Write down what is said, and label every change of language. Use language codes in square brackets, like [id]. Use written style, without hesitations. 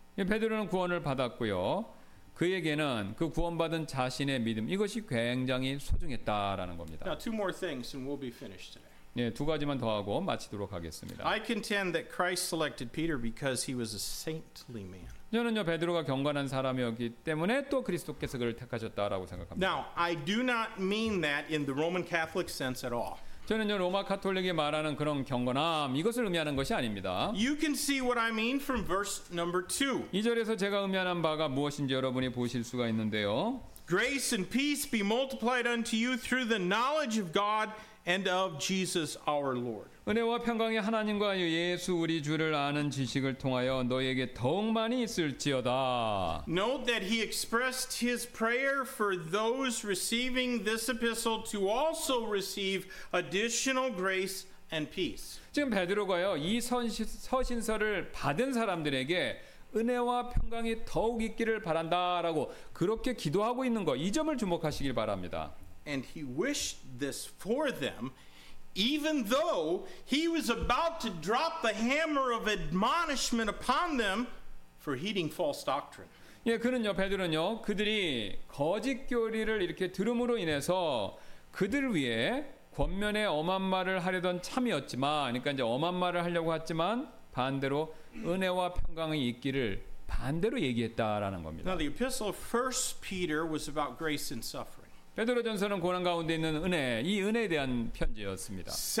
[ko] 예, 베드로는 구원을 받았고요. 그에게는 그 구원받은 자신의 믿음 이것이 굉장히 소중했다라는 겁니다. [en] Now, two more things and we'll be finished today. [ko] 예, 두 가지만 더 하고 마치도록 하겠습니다. [en] I contend that Christ selected Peter because he was a saintly man. [ko] 저는요 베드로가 경건한 사람이었기 때문에 또 그리스도께서 그를 택하셨다라고 생각합니다. [en] Now, I do not mean that in the Roman Catholic sense at all. [ko] 저는요 로마 가톨릭이 말하는 그런 경건함 이것을 의미하는 것이 아닙니다. [en] You can see what I mean from verse number 2. [ko] 2절에서 제가 의미하는 바가 무엇인지 여러분이 보실 수가 있는데요. [en] Grace and peace be multiplied unto you through the knowledge of God and of Jesus our Lord. [ko] 은혜와 평강이 하나님과 예수 우리 주를 아는 지식을 통하여 너희에게 더욱 많이 있을지어다. [en] Note that he expressed his prayer for those receiving this epistle to also receive additional grace and peace. [ko] 지금 베드로가요 이 서신서를 받은 사람들에게 은혜와 평강이 더욱 있기를 바란다라고 그렇게 기도하고 있는 거, 이 점을 주목하시길 바랍니다. [en] And he wished this for them. Even though he was about to drop the hammer of admonishment upon them for heeding false doctrine. [ko] 예, 그는요, 베드로는요, 그들이 거짓 교리를 이렇게 들음으로 인해서 그들 위해 권면에 엄한 말을 하려던 참이었지만, 그러니까 이제 엄한 말을 하려고 했지만 반대로 은혜와 평강이 있기를 반대로 얘기했다라는 겁니다. [en] Now the epistle of 1 Peter was about grace and suffering. [ko] 베드로전서는 고난 가운데 있는 은혜, 이 은혜에 대한 편지였습니다.